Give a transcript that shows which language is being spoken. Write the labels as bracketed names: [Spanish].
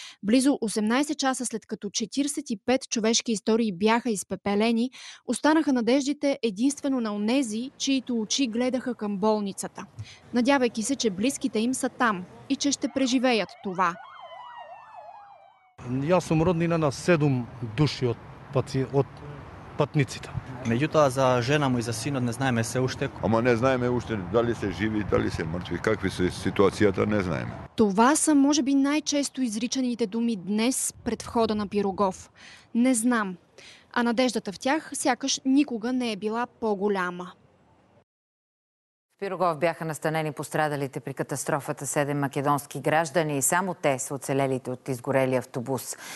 [Bulgarian] Близо 18 часа след като 45 човешки истории бяха изпепелени, останаха надеждите единствено на онези, чиито очи гледаха към болницата, надявайки се, че близките им са там и че ще преживеят това. Аз съм роднина на 7 души от пътниците. [Macedonian] Меѓутоа за жена му и за синот не знаеме се уште. Ама не знаеме уште дали се живи, дали се мртви, какви се ситуацијата, не знаеме. [Bulgarian] Това са може би најчесто изричаните думи днес пред входа на Пирогов. Не знам. А надеждата в тях сякаш никога не е била по-голяма. В Пирогов бяха настанени пострадалите при катастрофата 7 македонски граждани и само те са оцелелите от изгорели автобус.